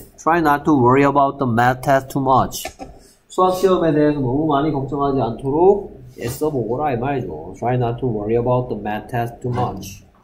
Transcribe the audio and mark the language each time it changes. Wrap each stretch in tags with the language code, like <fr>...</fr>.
<en>try not to worry about the math test too much.</en> <ko>수학시험에 대해서 너무 많이 걱정하지 않도록 애써보거라 이 말이죠.</ko> <en>try not to worry about the math test too much.</en>